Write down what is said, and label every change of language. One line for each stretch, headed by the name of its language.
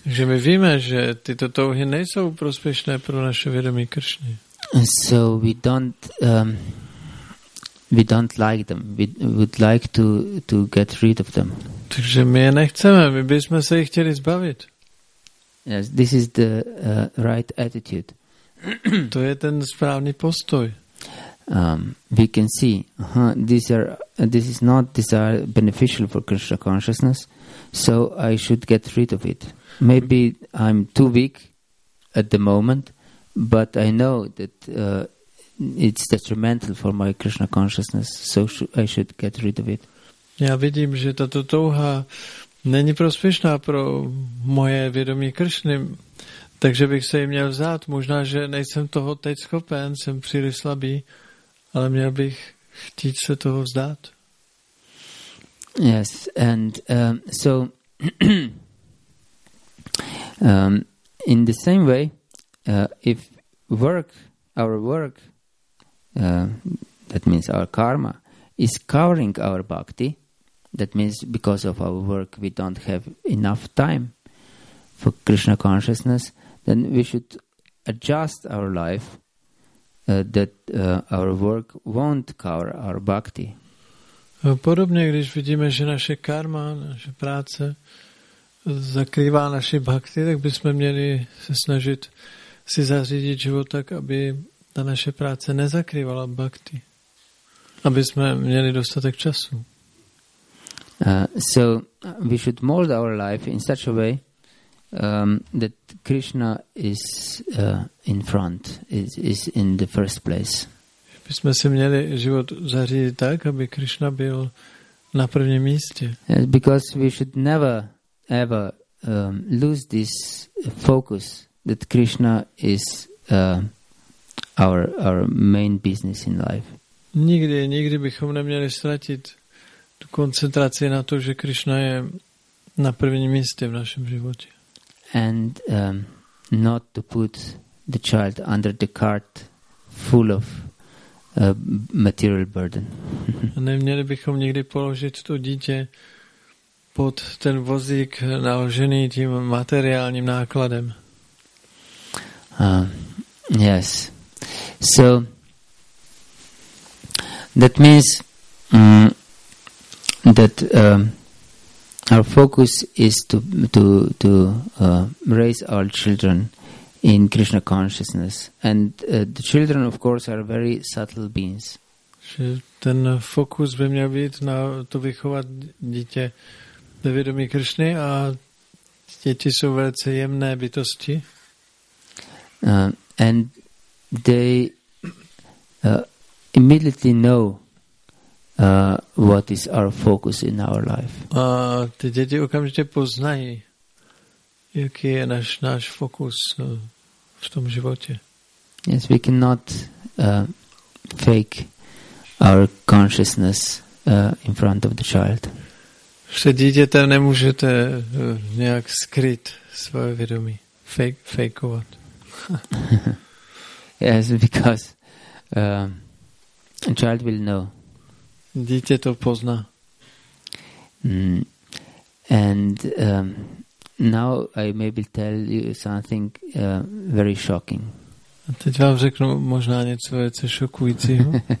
Czech: Že my víme, že tyto touhy nejsou prospěšné pro naše vědomí Kršny.
English: So we don't like them. We would like to get rid of them.
Czech: Takže my je nechceme, my bychom se jich chtěli zbavit.
English: Yes, this is the right attitude.
Czech: To je ten správný postoj.
English: We can see, this is not desire beneficial for Krishna consciousness, so I should get rid of it. Maybe I'm too weak at the moment, but I know that it's detrimental for my Krishna consciousness, so I should get rid of it.
Czech: Já vidím, že tato touha není prospěšná pro moje vědomí Kršny, takže bych se jí měl vzát. Možná, že nejsem toho teď schopen, jsem příliš slabý, ale měl bych chtít se toho vzdát.
English: Yes, and so in the same way, if our work, that means our karma, is covering our bhakti, that means because of our work we don't have enough time for Krishna consciousness, then we should adjust our life that our work won't cover our bhakti.
Czech: Podobně, když vidíme, že naše karma, naše práce zakrývá naši bhakti, tak bychom měli se snažit si zařídit život tak, aby ta naše práce nezakrývala bhakti. Aby jsme měli dostatek času.
English: So we should mold our life in such a way that Krishna is in front, is in the first place.
Czech: Bychom si měli život zařídit tak, aby Krishna byl na prvním místě.
English: Yes, because we should never ever lose this focus that Krishna is our main business in life.
Czech: Nikdy bychom neměli ztratit tu koncentraci na to, že Krishna je na prvním místě v našem životě.
English: And not to put the child under the cart full of material burden.
Czech: Neměli bychom nikdy položit to dítě pod ten vozík naložený tím materiálním nákladem.
English: Yes. So that means that our focus is to raise our children in Krishna consciousness, and the children, of course, are very subtle beings.
Czech: Ten fokus by měl být na to vychovat dítě ve vědomí Krishny, a děti jsou velice jemné bytosti.
English: And they immediately know what is our focus in our life.
Czech: Ty děti okamžitě poznají, jaký je náš fokus v tom životě.
English: Yes, we cannot fake our consciousness in front of the child.
Czech: Že dítěte nemůžete nějak skryt svoje vědomí, fakeovat.
English: Yes, because a child will know.
Czech: Dítě to pozná.
English: And now I maybe tell you something very shocking.
Czech: A teď vám řeknu možná něco velice šokujícího.